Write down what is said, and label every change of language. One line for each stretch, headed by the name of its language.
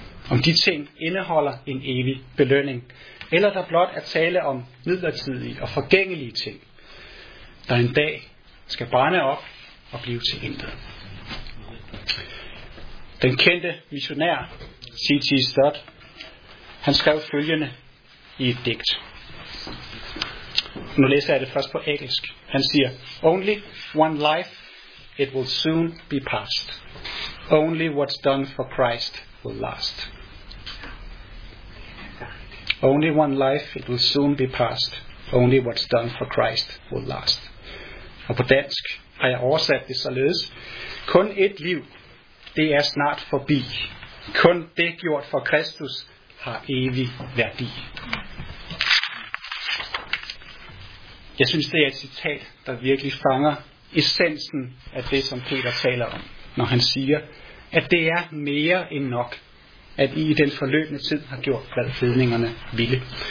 Danish: Om de ting indeholder en evig belønning. Eller der blot er tale om midlertidige og forgængelige ting, der en dag skal brænde op og blive til intet. Den kendte missionær C.T. Studd, han skrev følgende i et digt. Nu læser jeg det først på engelsk. Han siger,
English: "Only one life, it will soon be past. Only what's done for Christ will last. Only one life, it will soon be past. Only what's done for Christ will last."
Danish: Og på dansk har jeg oversat det således. Kun et liv, det er snart forbi. Kun det gjort for Kristus har evig værdi. Jeg synes, det er et citat, der virkelig fanger essensen af det, som Peter taler om, når han siger, at det er mere end nok, at I i den forløbne tid har gjort, hvad hedningerne ville.